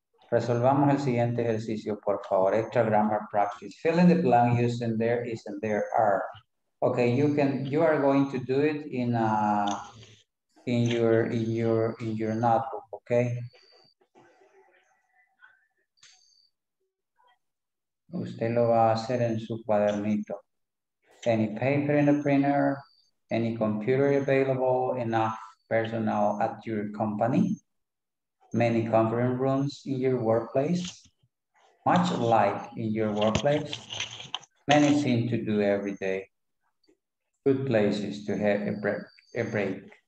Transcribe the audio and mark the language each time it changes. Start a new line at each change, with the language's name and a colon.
Spanish: Resolvamos el siguiente ejercicio, por favor.
English: Extra grammar practice. Fill in the blank using there is and there are. Okay, you are going to do it in your notebook, okay?
Spanish: Usted lo va a hacer en su cuadernito.
English: Any paper in the printer, any computer available, enough personnel at your company, many conference rooms in your workplace, much light in your workplace, many things to do every day, good places to have a break.